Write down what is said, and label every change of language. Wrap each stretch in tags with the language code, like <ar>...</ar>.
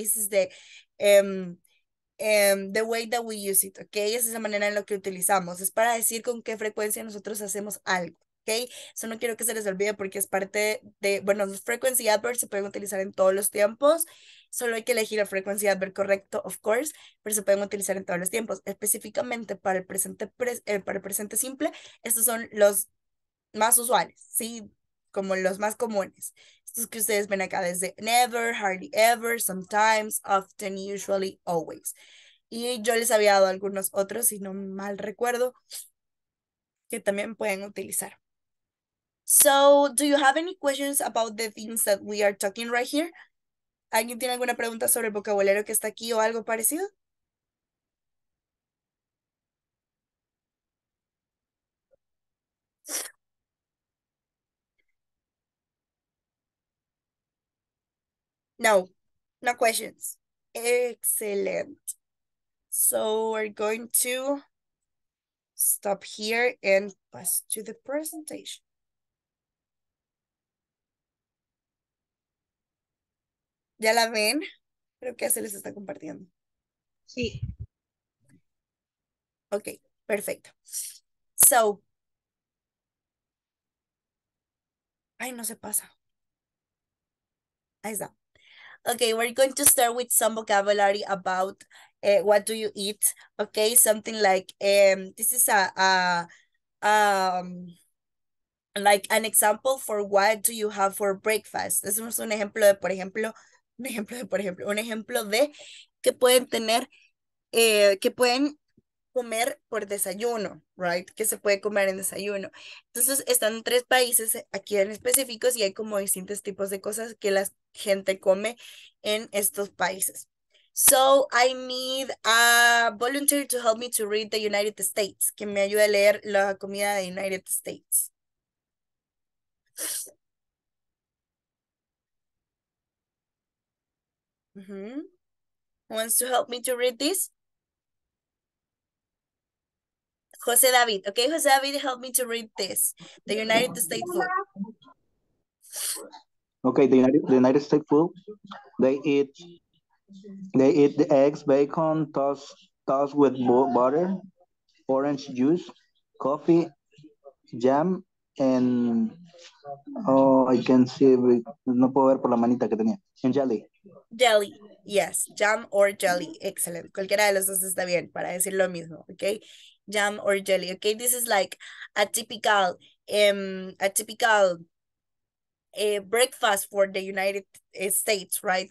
<en>This is the the way that we use it, okay?</en> <es>Es esa manera en la que utilizamos. Es para decir con qué frecuencia nosotros hacemos algo, okay? Eso no quiero que se les olvide porque es parte de, bueno, los frequency adverbs se pueden utilizar en todos los tiempos. Solo hay que elegir el frequency adverb correcto,</es> <en>of course,</en> <es>pero se pueden utilizar en todos los tiempos. Específicamente para el presente simple, estos son los más usuales, ¿sí? Como los más comunes. Que ustedes ven acá desde</es> <en>never, hardly ever, sometimes, often, usually, always.</en> <es>Y yo les había dado algunos otros, si no mal recuerdo, que también pueden utilizar.</es> <en>So, do you have any questions about the things that we are talking right here?</en> <es>¿Alguien tiene alguna pregunta sobre el vocabulario que está aquí o algo parecido?</es> <en>No, no questions. Excellent. So we're going to stop here and pass to the presentation.</en> <es>¿Ya la ven? Creo que ya se les está compartiendo. Sí. Ok, perfecto. So. Ay, no se pasa. Ahí está.</es> <en>Ok, we're going to start with some vocabulary about what do you eat. Ok, something like, this is like an example for what do you have for breakfast.</en> <es>Este es un ejemplo de, por ejemplo, qué pueden tener, qué pueden comer por desayuno, right? ¿Qué se puede comer en desayuno? Entonces, están tres países aquí en específicos y hay como distintos tipos de cosas que la gente come en estos países.</es> <en>So, I need a volunteer to help me to read the United States,</en> <es>que me ayude a leer la comida de</es> <en>United States. Wants to help me to read this? Jose David, okay, Jose David, help me to read this. The United States food. Okay, the United States food. They eat the eggs, bacon, tossed with butter, orange juice, coffee, jam, and oh, I can see.</en> <es>No puedo ver por la manita que tenía.</es> <en>And jelly. Jelly, yes, jam or jelly. Excellent.</en> <es>Cualquiera de los dos está bien para decir lo mismo, okay.</es> <en>Jam or jelly. Okay, this is like a typical breakfast for the United States, right?</en>